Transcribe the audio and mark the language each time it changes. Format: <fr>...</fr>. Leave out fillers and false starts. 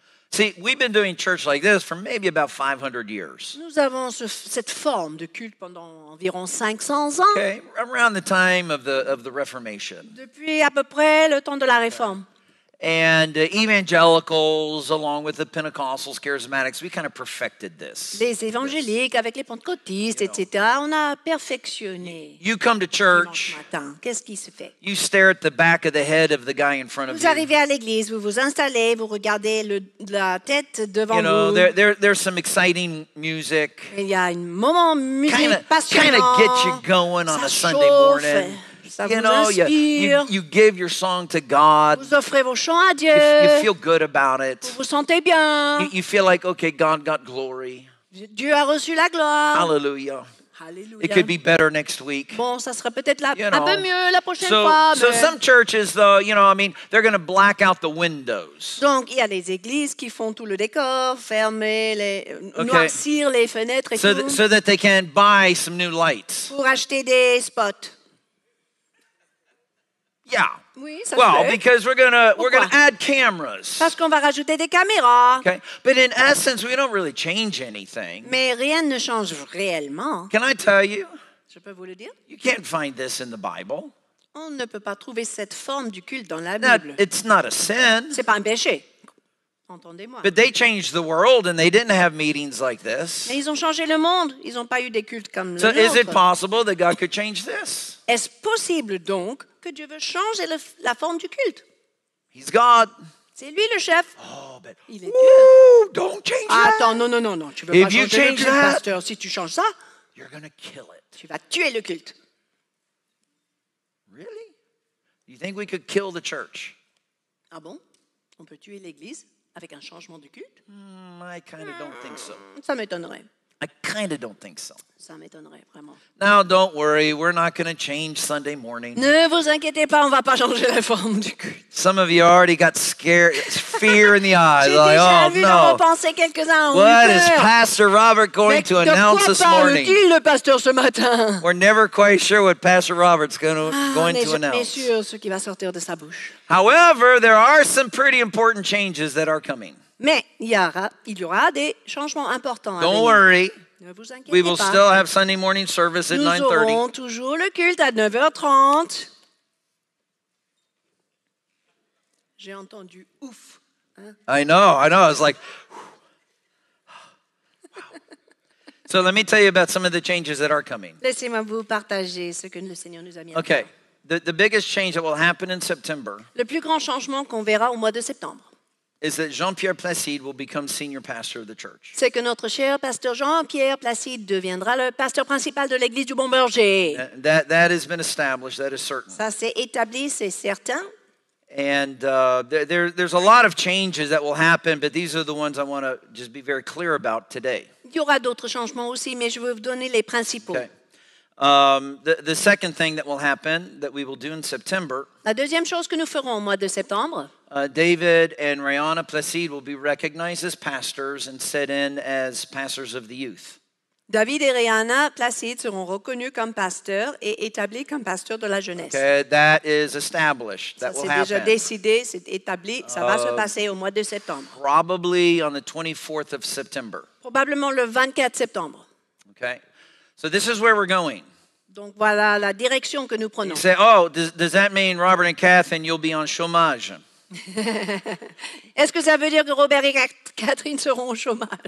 <en>See, we've been doing church like this for maybe about 500 years.</en> <fr>Nous avons cette forme de culte pendant environ 500 ans.</fr> <en>Okay, around the time of the Reformation.</en> <fr>Depuis à peu près le temps de la Réforme.</fr> <en>And evangelicals, along with the Pentecostals, charismatics, we kind of perfected this.</en> <fr>Les évangéliques avec les pentecôtistes, etc. On a perfectionné.</fr> <en>You come to church.</en> <fr>Qu'est-ce qui se fait?</fr> <en>You stare at the back of the head of the guy in front of you.</en> <fr>Vous arrivez à l'église, vous vous installez, vous regardez la tête devant vous.</fr> <en>You know, there's some exciting music.</en> <fr>Il y a un moment musical passionnant.</fr> <en>Kind of get you going on a Sunday morning.</en> <fr>Ça vous inspire.</fr> <en>You give your song to God.</en> <fr>Vous offrez vos chants à Dieu.</fr> <en>You feel good about it.</en> <fr>Vous vous sentez bien.</fr> <en>You feel like, okay, God got glory.</en> <fr>Dieu a reçu la gloire.</fr> <en>Hallelujah.</en> <fr>Hallelujah.</fr> <en>It could be better next week.</en> <fr>Bon, ça sera peut-être un peu mieux la prochaine</fr> <en>so,</en> <fr>fois.</fr> <en>So some churches, though, you know, I mean, they're going to black out the windows.</en> <fr>Donc, il y a des églises qui font tout le décor, fermer, noircir les fenêtres et</fr> <en>so</en> <fr>tout.</fr> <en>So that they can buy some new lights.</en> <fr>Pour acheter des spots.</fr> <en>Yeah.</en> <fr>Oui, ça</fr> <en>well,</en> <fr>fait.</fr> <en>Because we're gonna add cameras.</en> <fr>Parce qu'on va rajouter des caméras.</fr> <en>Okay. But in essence, we don't really change anything.</en> <fr>Mais rien ne change réellement.</fr> <en>Can I tell you?</en> <fr>Je peux vous le dire?</fr> <en>You can't find this in the Bible.</en> <fr>On ne peut pas trouver cette forme du culte dans la</fr> <en>Now,</en> <fr>Bible.</fr> <en>It's not a sin.</en> <fr>C'est pas un péché. Entendez-moi.</fr> <en>But they changed the world and they didn't have meetings like this.</en> <fr>Mais ils ont changé le monde. Ils ont pas eu des cultes comme</fr> <en>so</en> <fr>le nôtre.</fr> <en>Is it possible that God could change this?</en> <fr>Est-ce possible donc que Dieu veut changer la forme du culte?</fr> <en>He's God.</en> <fr>C'est lui le chef.</fr> <en>Oh, but</en> <fr>il est Dieu.</fr> <en>Don't change</en> <fr>Attends,</fr> <en>that.</en> <fr>Attends, non. Tu veux</fr> <en>If</en> <fr>pas changer</fr> <en>change</en> <fr>le culte,</fr> <en>that,</en> <fr>pasteur. Si tu changes ça,</fr> <en>you're gonna kill it.</en> <fr>Tu vas tuer le culte.</fr> <en>Really? You think we could kill the church?</en> <fr>Ah bon? On peut tuer l'église avec un changement de culte?</fr> <en>I kind of don't think so.</en> <fr>Ça m'étonnerait.</fr> <en>I kind of don't think so.</en> <fr>Ça m'étonnerait vraiment.</fr> <en>Now, don't worry. We're not going to change Sunday morning.</en> <fr>Ne vous inquiétez pas, on va pas changer la forme du culte.</fr> <en>Some of you already got scared, fear in the eyes.</en> <fr>J'ai</fr> <en>like,</en> <fr>déjà</fr> <en>oh,</en> <fr>vu</fr> <en>no.</en> <fr>en repenser quelques-uns.</fr> <en>What is Pastor Robert going to announce this morning?</en> <fr>De quoi parle-t-il le pasteur ce matin?</fr> <en>We're never quite sure what Pastor Robert's going to announce.</en> <fr>On n'est jamais sûr ce qui va sortir de sa bouche.</fr> <en>However, there are some pretty important changes that are coming.</en> <fr>Mais il y aura des changements importants.</fr> <en>Don't worry.</en> <fr>Ne vous inquiétez</fr> <en>we will</en> <fr>pas.</fr> <en>Still have Sunday morning service</en> <fr>Nous</fr> <en>at 9:30.</en> <fr>Nous aurons toujours le culte à 9h30. J'ai entendu ouf. Hein?</fr> <en>I know. I was like, wow. So let me tell you about some of the changes that are coming.</en> <fr>Laissez-moi vous partager ce que le Seigneur nous a mis.</fr> <en>Okay. The biggest change that will happen in September.</en> <fr>Le plus grand changement qu'on verra au mois de septembre.</fr> <en>is that Jean-Pierre Placide will become senior pastor of the church.</en> <fr>C'est que notre cher pasteur Jean-Pierre Placide deviendra le pasteur principal de l'église du Bon Berger.</fr> <en>That has been established, that is certain.</en> <fr>Ça s'est établi, c'est certain.</fr> <en>And there's a lot of changes that will happen, but these are the ones I want to just be very clear about today.</en> <fr>Il y aura d'autres changements aussi, mais je veux vous donner les principaux.</fr> <en>Okay. The second thing that will happen, that we will do in September,</en> <fr>la deuxième chose que nous ferons au mois de septembre,</fr> <en>David and Rihanna Placide will be recognized as pastors and set in as pastors of the youth.</en> <fr>David et Rihanna Placide seront reconnus comme pasteurs et établis comme pasteurs de la jeunesse.</fr> <en>Okay, that is established. That will happen.</en> <fr>Ça, c'est déjà décidé, c'est établi, ça va se passer au mois de septembre.</fr> <en>Probably on the 24th of September.</en> <fr>Probablement le 24 septembre.</fr> <en>Okay. So this is where we're going.</en> <fr>Donc voilà la direction que nous prenons.</fr> <en>You say, oh, does that mean Robert and Kathryn, you'll be on chômage?</en> <fr>Est-ce que ça veut dire que Robert et Kathryn seront au chômage?</fr>